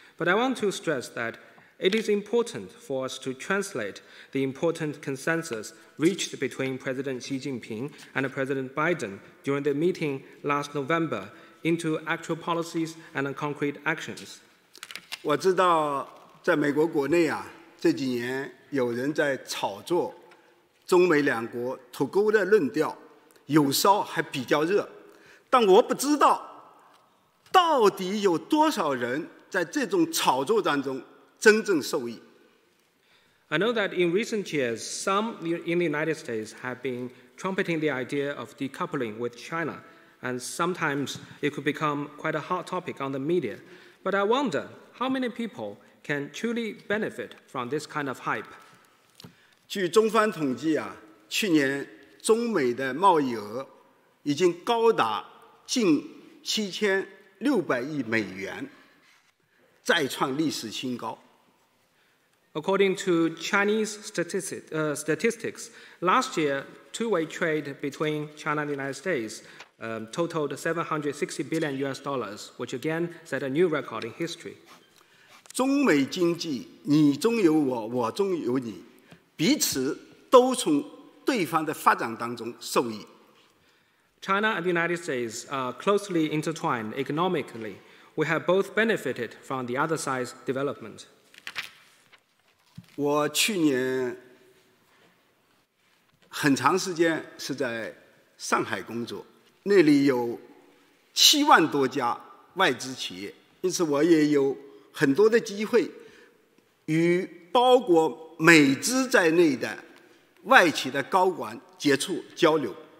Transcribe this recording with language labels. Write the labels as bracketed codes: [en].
[en] But I want to stress that it is important for us to translate the important consensus reached between President Xi Jinping and President Biden during the meeting last November into actual policies and concrete actions. [zh] 我知道在美国国内啊，这几年有人在炒作中美两国脱钩的论调，有烧还比较热，但我不知道到底有多少人在这种炒作当中真正受益。 [en] I know that in recent years, some in the United States have been trumpeting the idea of decoupling with China, and sometimes it could become quite a hot topic on the media. But I wonder how many people can truly benefit from this kind of hype. [zh] 据中方统计啊，去年中美的贸易额已经高达近7600亿美元，再创历史新高。 [en] According to Chinese statistics, last year, two-way trade between China and the United States totaled $760 billion, which again set a new record in history. [zh] 中美经济，你中有我，我中有你，彼此都从对方的发展当中受益。 [en] China and the United States are closely intertwined economically. We have both benefited from the other side's development. [zh] 我去年很长时间是在上海工作，那里有7万多家外资企业，因此我也有很多的机会与包括美资在内的外企的高管接触交流。